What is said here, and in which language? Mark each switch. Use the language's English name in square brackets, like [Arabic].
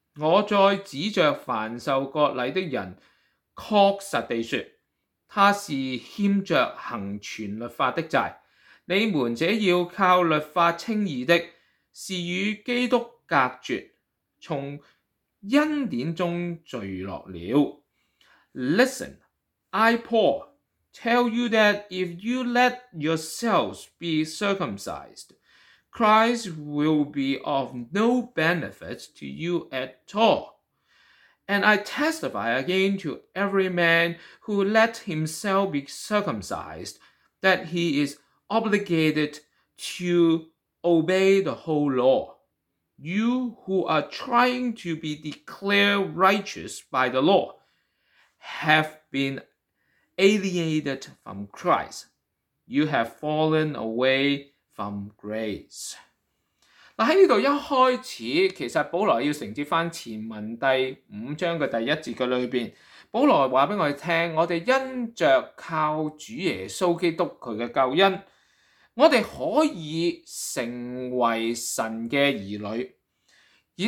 [Chinese] 我再指着凡受割礼的人，确实地说，他是欠着行全律法的债。你们这要靠律法称义的，是与基督隔绝，从恩典中坠落了。 [English] Listen, I Paul tell you that if you let yourselves be circumcised, Christ will be of no benefit to you at all. And I testify again to every man who let himself be circumcised that he is obligated to obey the whole law. You who are trying to be declared righteous by the law have been alienated from Christ. You have fallen away from grace. [Chinese] 在这里一开始，其实保罗要承接回前文第五章的第一节的里面，保罗告诉我们，我们因着靠主耶稣基督他的救恩，我们可以成为神的儿女。